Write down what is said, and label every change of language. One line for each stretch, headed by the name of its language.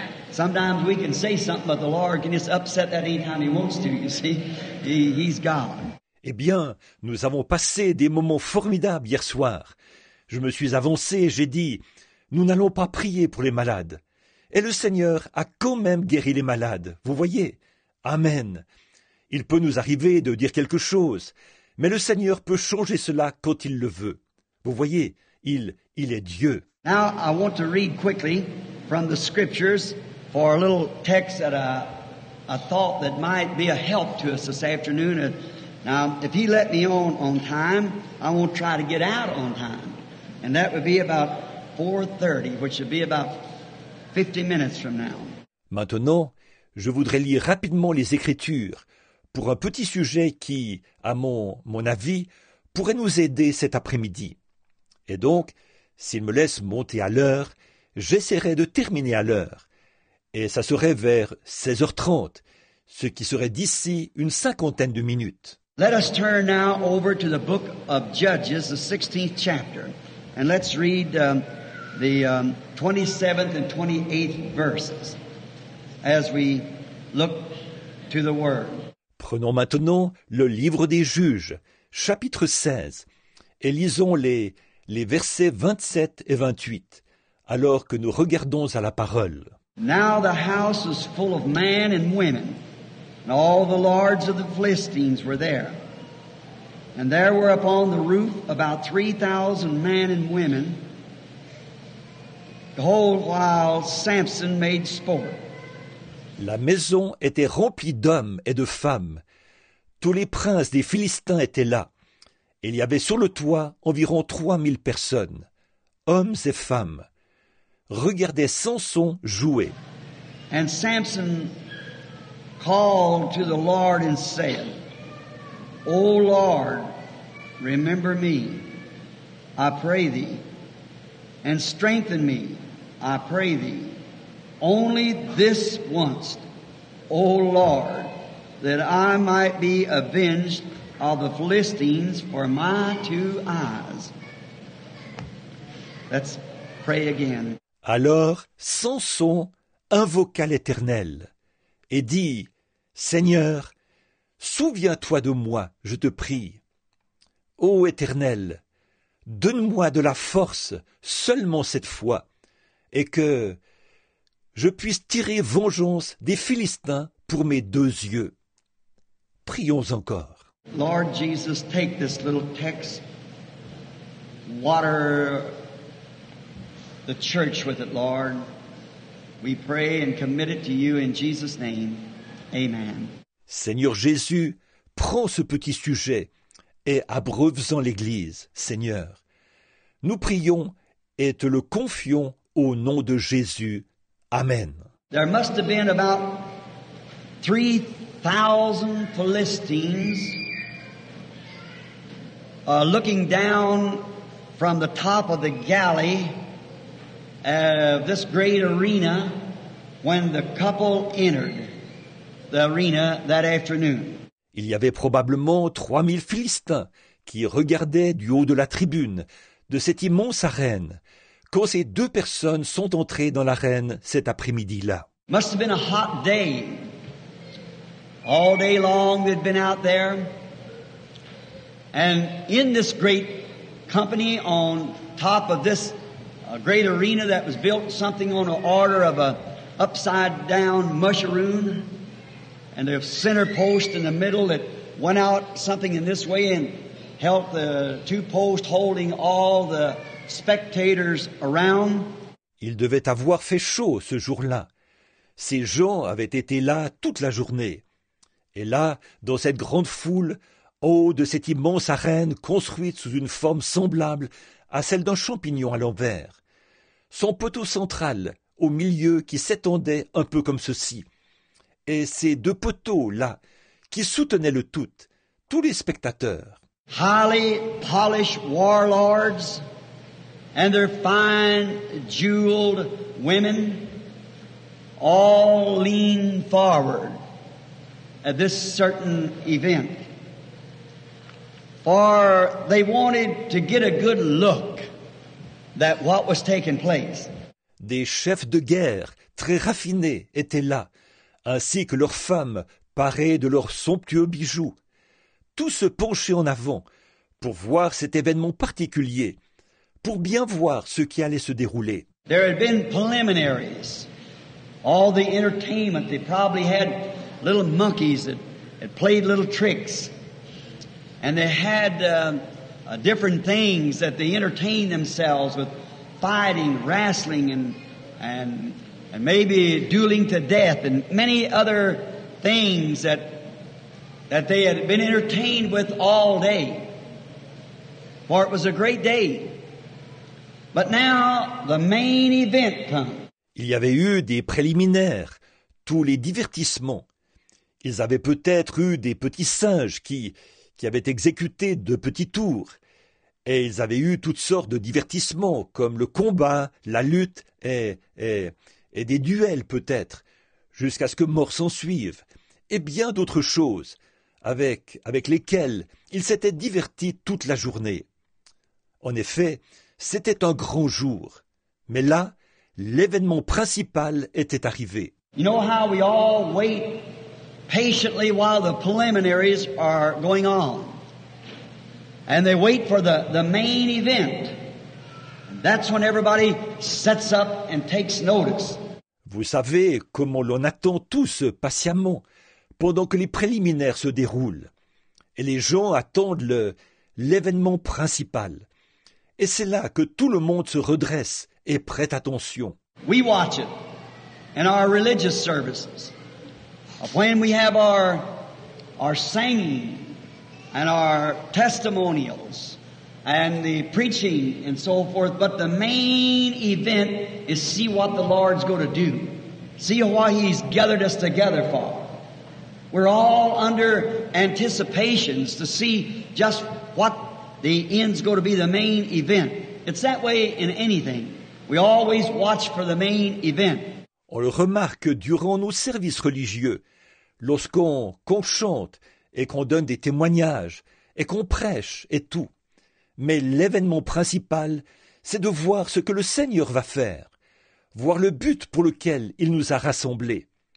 English: Sometimes we can say something, but the Lord can just upset that anytime he wants to, you see. He's God.
French: Eh bien, nous avons passé des moments formidables hier soir. Je me suis avancé et j'ai dit, nous n'allons pas prier pour les malades. Et le Seigneur a quand même guéri les malades, vous voyez. Amen. Il peut nous arriver de dire quelque chose, mais le Seigneur peut changer cela quand il le veut. Vous voyez, il est Dieu.
English: Now, I want to read quickly from the scriptures for a little text that I thought that might be a help to us this afternoon. Now, if he let me on time, I won't try to get out on time. And that would be about 4:30, which would be about 50 minutes from now.
French: Maintenant, je voudrais lire rapidement les Écritures pour un petit sujet qui, à mon avis, pourrait nous aider cet après-midi. Et donc, s'il me laisse monter à l'heure, j'essaierai de terminer à l'heure. Et ça serait vers 16h30, ce qui serait d'ici une cinquantaine de minutes.
English: Let us turn now over to the book of Judges, the 16th chapter, and let's read the 27th and 28th verses as we look to the Word.
French: Prenons maintenant le livre des Juges, chapitre 16, et lisons les versets 27 et 28, alors que nous regardons à la parole.
English: Now the house was full of men and women, and all the lords of the Philistines were there. And there were upon the roof about 3,000 men and women, the whole while Samson made sport.
French: La maison était remplie d'hommes et de femmes. Tous les princes des Philistins étaient là. Il y avait sur le toit environ 3,000 personnes, hommes et femmes. Regardait Samson jouer.
English: And Samson called to the Lord and said, O Lord, remember me, I pray thee, and strengthen me, I pray thee, only this once, O Lord, that I might be avenged of the Philistines for my two eyes. Let's pray again.
French: Alors Samson invoqua l'Éternel et dit, « Seigneur, souviens-toi de moi, je te prie. Ô Éternel, donne-moi de la force seulement cette fois, et que je puisse tirer vengeance des Philistins pour mes deux yeux. » Prions encore.
English: Lord Jesus, take this little text, water the church with it, Lord. We pray and commit it to you in Jesus' name. Amen.
French: Seigneur Jésus, prends ce petit sujet et abreuve-en l'Église, Seigneur. Nous prions et te le confions au nom de Jésus. Amen.
English: There must have been about 3,000 Philistines looking down from the top of the galley of this great arena when the couple entered the arena that afternoon.
French: Il y avait probablement 3,000 Philistins qui regardaient du haut de la tribune de cette immense arène quand ces deux personnes sont entrées dans l'arène cet après-midi-là.
English: Must have been a hot day. All day long they'd been out there. And in this great company on top of this a great arena that was built, something on the order of a upside-down mushroom, and a center post in the middle that went out something in this way and held the two posts holding all the spectators around.
French: Il devait avoir fait chaud ce jour-là. Ces gens avaient été là toute la journée. Et là, dans cette grande foule, haut de cette immense arène construite sous une forme semblable à celle d'un champignon à l'envers. Son poteau central, au milieu, qui s'étendait un peu comme ceci. Et ces deux poteaux, là, qui soutenaient le tout, tous les spectateurs.
English: Highly polished warlords and their fine jeweled women all lean forward at this certain event. For they wanted to get a good look at what was taking place.
French: Des chefs de guerre très raffinés étaient là, ainsi que leurs femmes parées de leurs somptueux bijoux. Tous se penchaient en avant pour voir cet événement particulier, pour bien voir ce qui allait se dérouler.
English: There had been preliminaries, all the entertainment. They probably had little monkeys that had played little tricks, and they had different things that they entertained themselves with, fighting, wrestling, and maybe dueling to death, and many other things that. That they had been entertained with all day. For it was a great day. But now the main event comes.
French: Il y avait eu des préliminaires, tous les divertissements. Ils avaient peut-être eu des petits singes qui avaient exécuté de petits tours. Et ils avaient eu toutes sortes de divertissements, comme le combat, la lutte et des duels peut-être, jusqu'à ce que mort s'en suive, et bien d'autres choses. Avec lesquels il s'était diverti toute la journée. En effet, c'était un grand jour. Mais là, l'événement principal était arrivé.
English: You know how we all wait patiently while the preliminaries are going on. And they wait for the main event. And that's when everybody sets up and takes notice.
French: Vous savez comment l'on attend tous patiemment pendant que les préliminaires se déroulent, et les gens attendent l'événement principal. Et c'est là que tout le monde se redresse et prête attention.
English: We watch it in our religious services. When we have our singing and our testimonials and the preaching and so forth, but the main event is see what the Lord's going to do. See why he's gathered us together for. We're all under anticipations to see just what the end's going to be, the main event. It's that way in anything. We always watch for the main event.
French: On le remarque durant nos services religieux, lorsqu'on chante et qu'on donne des témoignages et qu'on prêche et tout. Mais l'événement principal, c'est de voir ce que le Seigneur va faire, voir le but pour lequel il nous a rassemblés.